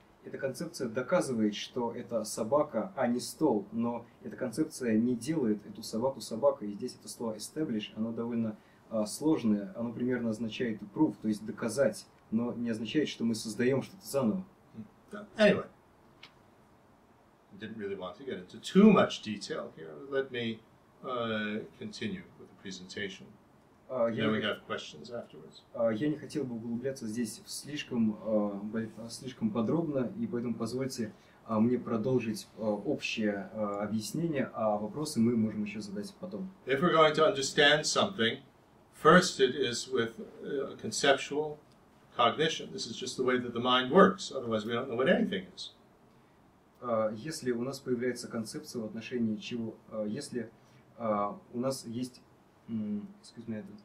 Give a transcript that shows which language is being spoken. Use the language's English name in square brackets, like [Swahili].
[Russian] Эта концепция доказывает, что это собака, а не стол, но эта концепция не делает эту собаку собакой, и здесь это слово establish, оно довольно... сложное, оно примерно означает proof, то есть доказать, но не означает, что мы создаем что-то заново. [English] Anyway, I didn't really want to get into too much detail here. Let me continue with the presentation. Then we have questions afterwards. [Russian] Я не хотел бы углубляться здесь слишком подробно, и поэтому позвольте мне продолжить общее объяснение, а вопросы мы можем еще задать потом. [English] If we're going to understand something, first, it is with conceptual cognition. This is just the way that the mind works. Otherwise, we don't know what anything is. [Russian] Если у нас появляется концепция в отношении чего, если у нас есть, [English] excuse me,